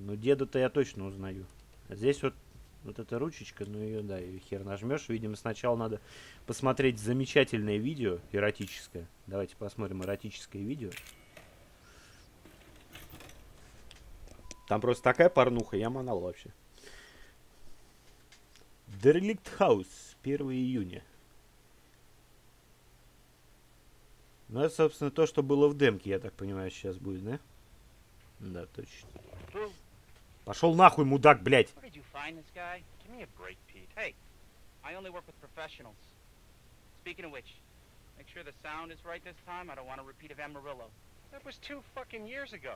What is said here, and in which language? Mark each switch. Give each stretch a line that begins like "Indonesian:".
Russian: Но деда-то я точно узнаю. А здесь вот эта ручечка, ну ее, да, ее хер нажмешь. Видимо, сначала надо посмотреть замечательное видео, эротическое. Давайте посмотрим эротическое видео. Там просто такая порнуха, я манал вообще. Derelict House, 1 июня. Ну, это, собственно, то, что было в демке, я так понимаю, сейчас будет, да? Да, точно. Пошел нахуй, мудак, блядь!
English: Where did you find this guy? Give me a break, Pete. Hey, I only work with professionals. Speaking of which, make sure the sound is right this time. I don't want a repeat of Amarillo. That was 2 fucking years ago.